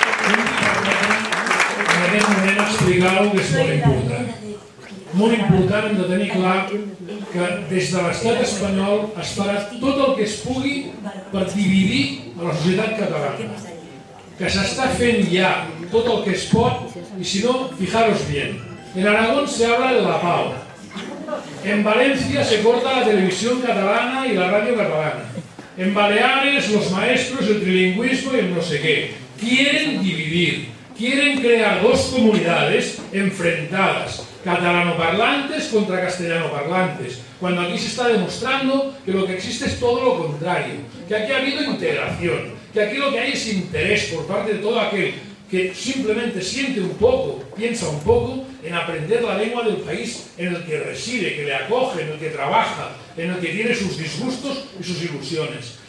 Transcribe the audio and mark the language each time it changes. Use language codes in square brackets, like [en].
[ca] En aquest moment explicar-ho que és molt important. Molt important hem de tenir clar que des de l'estat espanyol es farà tot el que es pugui per dividir la societat catalana. Que s'està fent ja tot el que es pot i si no, [es] fijaros bien. En Aragón se habla de la pau. [ca] En València [es] se corta [ca] la televisió catalana i la ràdio catalana. [es] En Baleares los maestros, el trilingüismo y el no sé qué. Quieren dividir. Quieren crear dos comunidades enfrentadas, catalanoparlantes contra castellanoparlantes, cuando aquí se está demostrando que lo que existe es todo lo contrario, que aquí ha habido integración, que aquí lo que hay es interés por parte de todo aquel que simplemente siente un poco, piensa un poco, en aprender la lengua del país en el que reside, que le acoge, en el que trabaja, en el que tiene sus disgustos y sus ilusiones.